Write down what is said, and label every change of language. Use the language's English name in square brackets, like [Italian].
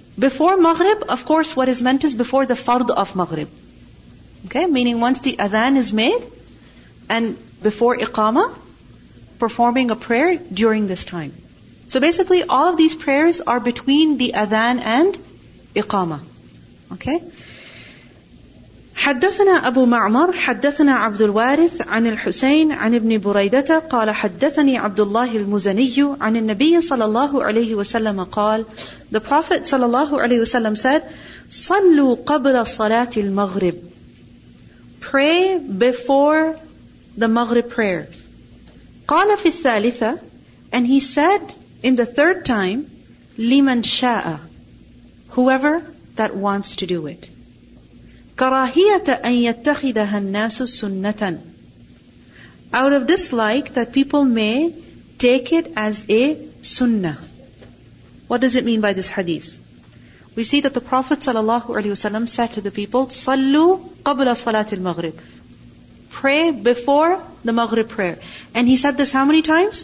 [English] Before maghrib, of course, what is meant is before the fard of maghrib. Okay, meaning once the adhan is made, and before iqama, performing a prayer during this time. So basically, all of these prayers are between the adhan and iqama. Okay? [Arabic] حدثنا أبو معمر حدثنا عبد الوارث عن الحسين عن ابن بريدة قال حدثني عبد الله المزني عن النبي صلى الله عليه وسلم قال [English] The Prophet صلى الله عليه وسلم said [Arabic] صلوا قبل صلاة المغرب [English] Pray before the Maghrib prayer [Arabic] قال في الثالثة [English] And he said in the third time [Arabic] لمن شاء [English] Whoever that wants to do it [Arabic] كراهية أن يتخذها الناس سنة. [English] Out of dislike that people may take it as a sunnah. What does it mean by this hadith? We see that the Prophet ﷺ said to the people, [Arabic] صلوا قبل صلاة المغرب. [English] Pray before the Maghrib prayer. And he said this how many times?